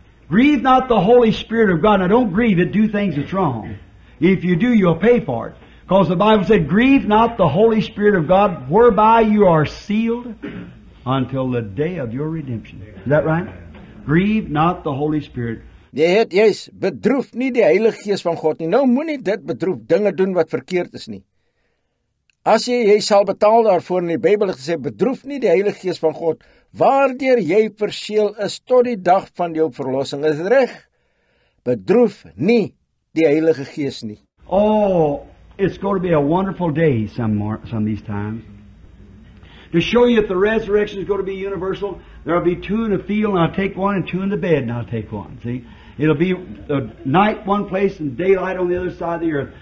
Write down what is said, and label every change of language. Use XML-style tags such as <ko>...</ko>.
<en>Grieve not the Holy Spirit of God. Now don't grieve it. Do things that's wrong. If you do, you'll pay for it. Because the Bible said, grieve not the Holy Spirit of God, whereby you are sealed until the day of your redemption. Is that right? Grieve not the Holy Spirit.</en> <af>Jy het, yes, bedroef nie die Heilige Gees van God nie. Nou moet nie dit bedroef dinge doen wat verkeerd is nie. As jy sal betaal daarvoor in die Bybel het gesê, bedroef nie die Heilige Gees van God, waardeur jy verseël is tot die dag van jou verlossing. Is reg, bedroef nie die Heilige Gees nie.</af> <en>Oh, it's going to be a wonderful day some of these times. To show you that the resurrection is going to be universal, there will be two in the field, and I'll take one, and two in the bed, and I'll take one. See? It'll be the night one place and daylight on the other side of the earth.</en>